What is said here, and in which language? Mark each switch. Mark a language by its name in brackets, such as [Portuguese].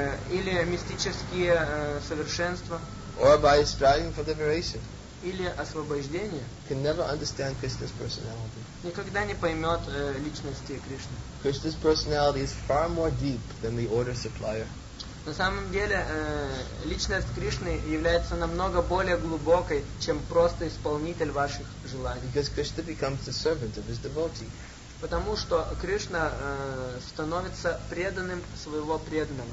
[Russian] Или мистические совершенства. [English] Or by striving for liberation. [Russian] Или освобождение. [English] Can never understand Krishna's personality. [Russian] Никогда не поймет личности Кришны. [English] Krishna's personality is far more deep than the order supplier. [Russian] На самом деле, личность Кришны является намного более глубокой, чем просто исполнитель ваших желаний. [English] Because Krishna becomes the servant of his devotee. [Russian] Потому что Кришна становится преданным своего преданного.